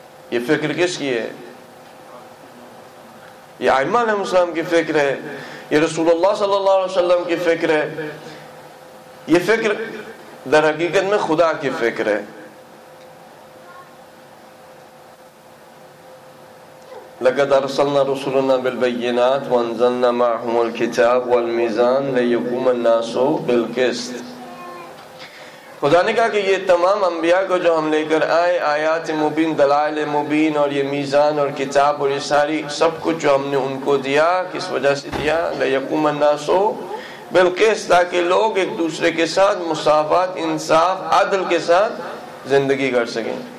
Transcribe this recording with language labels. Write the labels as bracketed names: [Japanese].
[Urdu] یہ فکر کس کی ہے؟ یہ آئمہ علیہ السلام کی فکر ہے, یہ رسول اللہ صلی اللہ علیہ وسلم کی فکر ہے. یہ فکر در حقیقت میں خدا کی فکر ہے. [Arabic] لقد ارسلنا رسلنا بالبينات وانزلنا معهم الكتاب والميزان ليقوم الناس بالقسط. [Urdu] خدا نے کہا کہ یہ تمام انبیاء کو جو ہم لے کر آئے, آیات مبین, دلائل مبین, اور یہ میزان اور کتاب, اور یہ ساری سب کچھ جو ہم نے ان کو دیا, کس وجہ سے دیا؟ [Arabic] لیقوم الناس بالقسط, [Urdu] تاکہ لوگ ایک دوسرے کے ساتھ مساوات, انصاف, عدل کے ساتھ زندگی کر سکیں.